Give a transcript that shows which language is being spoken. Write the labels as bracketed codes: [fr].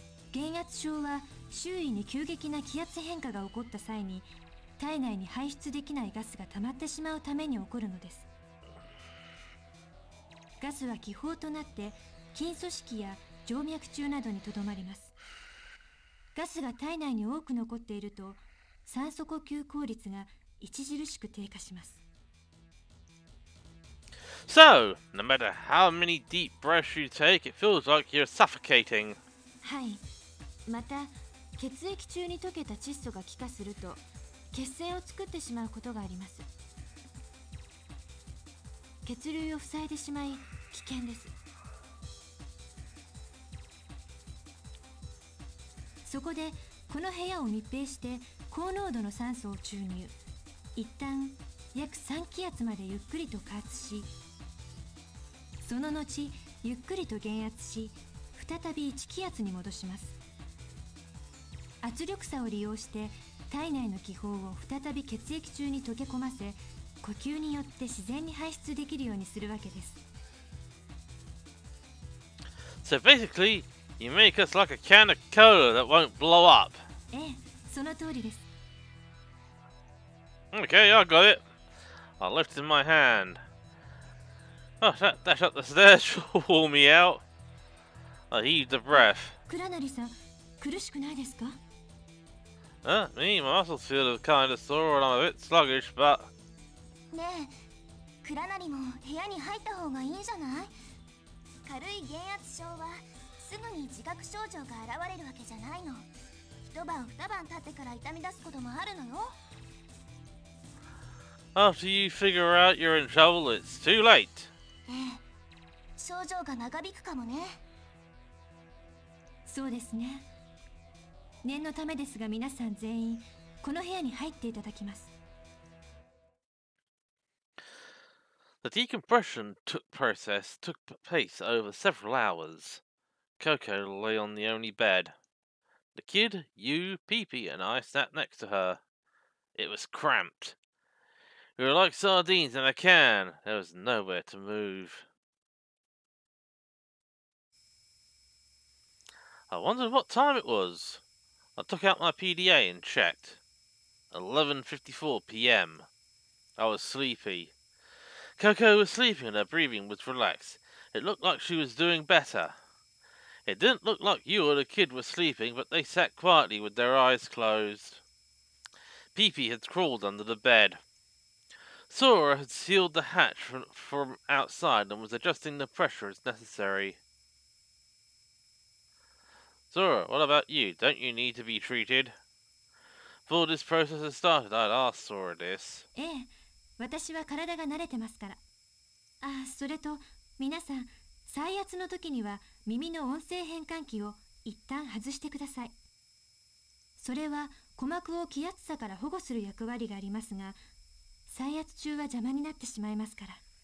[ja] 減圧症は周囲に急激な気圧変化が起こった際に体内に排出できないガスが溜まってしまうために起こるのです。ガスは気泡となって筋組織や静脈中などにとどまります。ガスが体内に多く残っていると酸素呼吸効率が著しく低下します。 [en] So, no matter how many deep breaths you take, it feels like you're suffocating. [ja] はい。また、血液中に溶けた窒素が気化すると、血栓を作ってしまうことがあります。血流を塞いでしまい、危険です。そこで、この部屋を密閉して、高濃度の酸素を注入。一旦、約3気圧までゆっくりと加圧し、その後、ゆっくりと減圧し、再び1気圧に戻します。圧力差を利用して体内の気泡を再び血液中に溶け込ませ呼吸によって自然に排出できるようにするわけです。 [en] So basically, you make us like a can of cola that won't blow up. [ja] ええ、その通りです。 [en] Okay, I got it. I lifted my hand. Oh, that dash up the stairs should warm me out. I heaved a breath. [ja] クラナリさん、苦しくないですか? [en] Me? My muscles feel kind of sore and I'm a bit sluggish, but... [ja] ねえ、クラナリも部屋に入った方がいいんじゃない? 軽い減圧症はすぐに自覚症状が現れるわけじゃないの。一晩二晩経ってから痛み出すこともあるのよ。 [en] After you figure out you're in trouble, it's too late. [ja] ええ、症状が長引くかもね。そうですね。念のためですが皆さん全員この部屋に入っていただきます。 [en] The decompression process took place over several hours. Coco lay on the only bed. The kid, you, Pippi, and I sat next to her. It was cramped. We were like sardines in a can. There was nowhere to move. I wondered what time it was. I took out my PDA and checked. 11:54 PM. I was sleepy. Coco was sleeping and her breathing was relaxed. It looked like she was doing better. It didn't look like you or the kid were sleeping, but they sat quietly with their eyes closed. Pee-Pee had crawled under the bed. Sora had sealed the hatch from outside and was adjusting the pressure as necessary. Sora, what about you? Don't you need to be treated? Before this process had started, I'd ask Sora this. [ja] ええ、私は体が慣れてますから。ああ、それと、皆さん、再圧の時には耳の音声変換器を一旦外してください。それは鼓膜を気圧差から保護する役割がありますが、再圧中は邪魔になってしまいますから。